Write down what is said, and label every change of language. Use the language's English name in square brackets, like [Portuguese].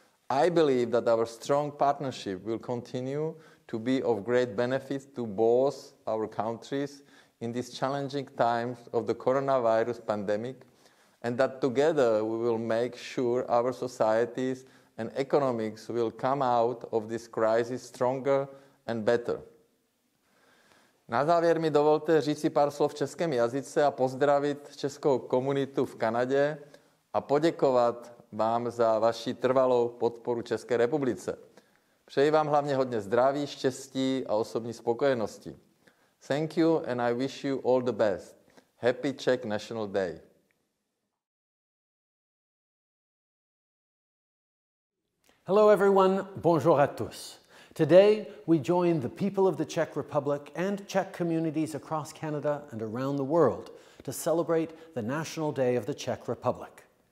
[English] I believe that our strong partnership will continue to be of great benefit to both our countries in these challenging times of the coronavirus pandemic, and that together we will make sure our societies and economics will come out of this crisis stronger and better. [Czech] Na závěr mi dovolte říct si pár slov v českém jazyce a pozdravit českou komunitu v Kanadě a poděkovat vám za vaši trvalou podporu České republice. Přeji vám hlavně hodně zdraví, štěstí a osobní spokojenosti. [English] Thank you and I wish you all the best. Happy Czech National Day. Hello everyone, [French] bonjour à tous. [English] Today we join the people of the Czech Republic and Czech communities across Canada and around the world to celebrate the National Day of the Czech Republic.